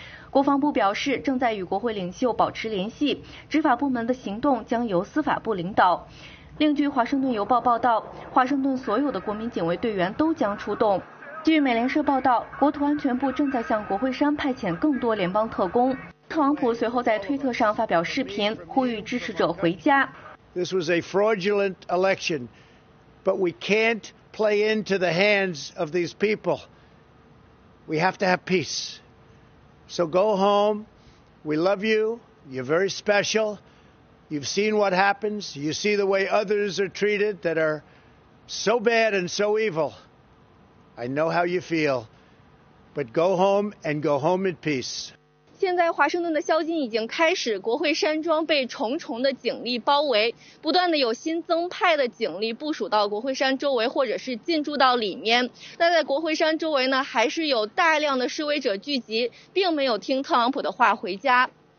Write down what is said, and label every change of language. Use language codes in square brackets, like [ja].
[zh] 国防部表示，正在与国会领袖保持联系，执法部门的行动将由司法部领导。另据《华盛顿邮报》报道，华盛顿所有的国民警卫队员都将出动。据美联社报道，国土安全部正在向国会山派遣更多联邦特工。特朗普随后在推特上发表视频，呼吁支持者回家。 [en] This was a fraudulent election, but we can't play into the hands of these people. We have to have peace. So go home. We love you. You're very special. You've seen what happens. You see the way others are treated that are so bad and so evil. I know how you feel. But go home and go home in peace. [zh] 现在华盛顿的宵禁已经开始，国会山庄被重重的警力包围，不断的有新增派的警力部署到国会山周围或者是进驻到里面。那在国会山周围呢，还是有大量的示威者聚集，并没有听特朗普的话回家。